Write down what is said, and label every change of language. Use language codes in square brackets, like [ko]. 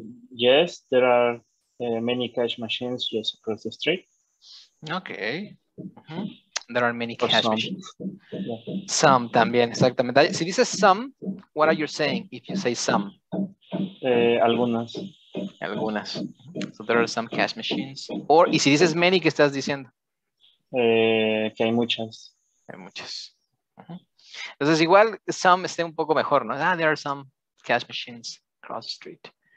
[en] Yes, there are many cash machines just across the street. Okay. Mm-hmm. There are many cash machines. Yeah. [es] Some también, exactamente. Si dices [en] some, what are you saying if you say some? [es] Algunas. [en] Algunas. So there are some cash machines. [es] Or, y si dices many, ¿qué estás diciendo? Que hay muchas. Hay muchas. Uh-huh. Entonces, igual, some esté un poco mejor, ¿no? [en] Ah, there are some cash machines across the street.